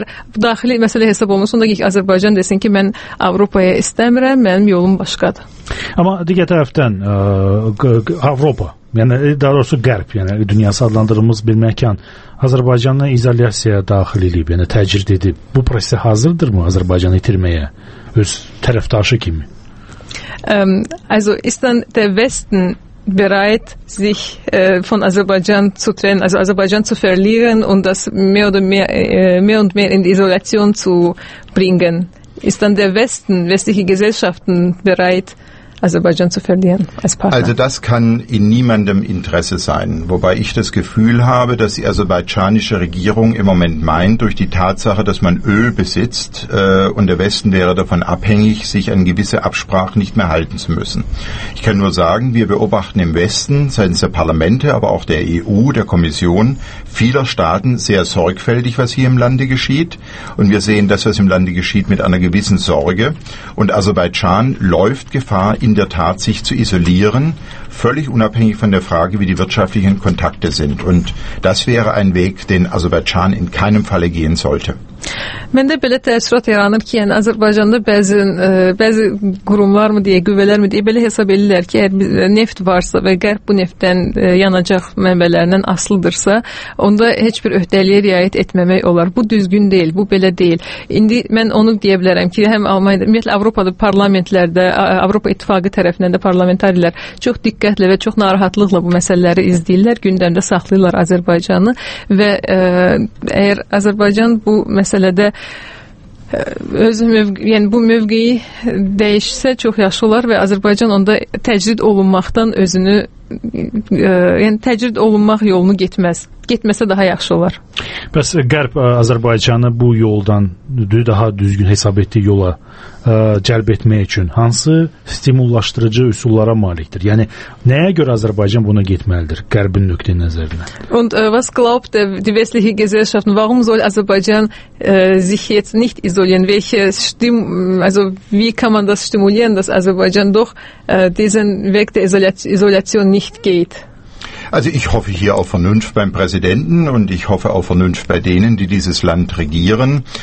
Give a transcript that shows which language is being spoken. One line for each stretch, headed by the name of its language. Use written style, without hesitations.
Azerbaijani: Əgər daxili məsələ hesab olunursa, onda ki, Azərbaycan desin ki, mən Avropaya istəmirəm, mənim yolum başqadır. Amma digər tərəfdən Avropa, yəni daha doğrusu Qərb, yəni dünyası adlandırılmış bir məkan Azərbaycanla izolyasiya daxil edib, yəni təcrid edib. Bu prosesə hazırdırmı Azərbaycanı itirməyə öz tərəfdaşı kimi?
German: Also ist dann der Westen bereit, sich von Azerbaijan zu trennen, also Azerbaijan zu verlieren und das mehr oder mehr, mehr und mehr in die Isolation zu bringen? Ist dann der Westen, westliche Gesellschaften bereit, Azerbaijan zu verlieren als Partner? Also das kann in niemandem Interesse sein, wobei ich das Gefühl habe, dass die aserbaidschanische Regierung im Moment meint, durch die Tatsache, dass man Öl besitzt und der Westen wäre davon abhängig, sich an gewisse Absprachen nicht mehr halten zu müssen. Ich kann nur sagen, wir beobachten im Westen seitens der Parlamente, aber auch der EU, der Kommission, vieler Staaten sehr sorgfältig, was hier im Lande geschieht. Und wir sehen das, was im Lande geschieht, mit einer gewissen Sorge. Und Aserbaidschan läuft Gefahr, in der Tat sich zu isolieren, völlig unabhängig von der Frage, wie die wirtschaftlichen Kontakte sind. Und das wäre ein Weg, den Aserbaidschan in keinem Falle gehen sollte.
Azerbaijani: Mən də belə təəssürat yaranır ki, yəni Azərbaycanda bəzi qurumlar mı deyə, qüvvələr mi deyə belə hesab edirlər ki, əgər neft varsa və Qərb bu neftdən yanacaq mənbələrindən asılıdırsa, onda heç bir öhdəliyə riayət etməmək olar. Bu düzgün deyil, bu belə deyil. İndi mən onu deyə bilərəm ki, həm Almaniyada, ümumiyyətlə Avropada parlamentlərdə, Avropa İttifaqı tərəfindən də parlamentarilər çox diqqətlə və çox narahatlıqla bu məsələləri izləyirlər, gündəmdə saxlayırlar Azərbaycanı və əgər Azərbaycan bu məsələdə öz mövqeyi, yəni bu mövqeyi dəyişsə çox yaxşı olar və Azərbaycan onda təcrid olunmaqdan özünü, yəni təcrid olunmaq yolunu getməz. Getməsə daha yaxşı olar. Bəs Qərb Azərbaycanı bu yoldan daha düzgün hesab etdiyi yola cəlb etmək üçün hansı stimullaşdırıcı üsullara malikdir? Yəni, nəyə görə Azərbaycan buna getməlidir Qərbin nöqtəyi nəzərinə?
German: Und was glaubt die westliche Gesellschaft, warum soll Azərbaycan sich jetzt nicht isolieren? Welche also wie kann man das stimulieren, dass Azərbaycan doch diesen Weg der Isolation nicht geht? Also ich hoffe hier auf Vernunft beim Präsidenten und ich hoffe auf Vernunft bei denen, die dieses Land regieren.